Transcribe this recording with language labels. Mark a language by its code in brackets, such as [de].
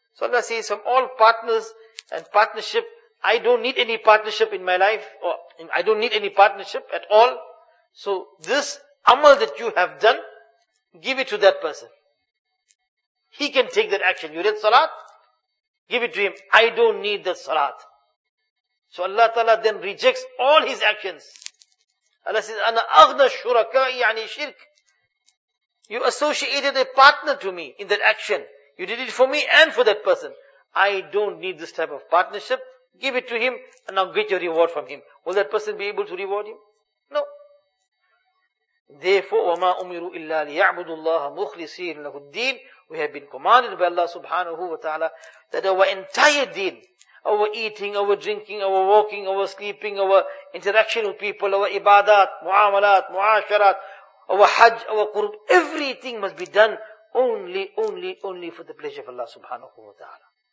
[en] So Allah says, from all partners and partnership, I don't need any partnership in my life, or I don't need any partnership at all. So this amal that you have done, give it to that person. He can take that action. You read salat? Give it to him. I don't need the salat. So Allah Ta'ala then rejects all his actions. Allah says, [ar] أَنَا أَغْنَى الشُّرَكَاءِ عَنِي الشِّرْكِ. [en] You associated a partner to me in that action. You did it for me and for that person. I don't need this type of partnership. Give it to him and now get your reward from him. Will that person be able to reward him? No. Therefore, [ar] وَمَا أُمِرُوا إِلَّا لِيَعْبُدُوا اللَّهَ مُخْلِصِينَ لَهُ الدِّينَ. [en] We have been commanded by Allah subhanahu wa ta'ala that our entire deen, our eating, our drinking, our walking, our sleeping, our interaction with people, our ibadat, mu'amalat, mu'asharat, our hajj, our qurb, everything must be done only for the pleasure of Allah subhanahu wa ta'ala.